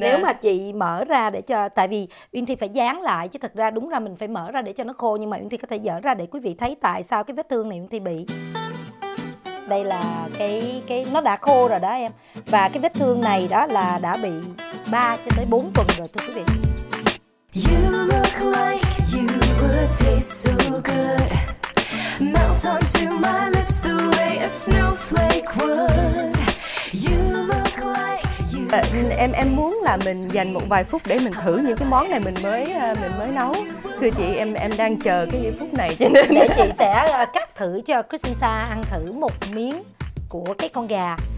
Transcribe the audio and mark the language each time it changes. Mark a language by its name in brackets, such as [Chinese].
[Vietnamese] nếu mà chị mở ra để cho, tại vì Uyên Thi phải dán lại chứ thật ra đúng ra mình phải mở ra để cho nó khô, nhưng mà Uyên Thi có thể dở ra để quý vị thấy tại sao cái vết thương này Uyên Thi bị. Đây là cái nó đã khô rồi đó em, và cái vết thương này đó là đã bị 3 cho tới 4 tuần rồi thưa quý vị. [English] You look like you would taste so good, melt onto my lips the way a snowflake would. You look like you could taste so good. [Vietnamese] Em muốn là mình dành một vài phút để mình thử những cái món này mình mới nấu. Thưa chị, em đang chờ cái giây phút này cho nên để chị sẽ cắt thử cho Kristen Sa ăn thử một miếng của cái con gà.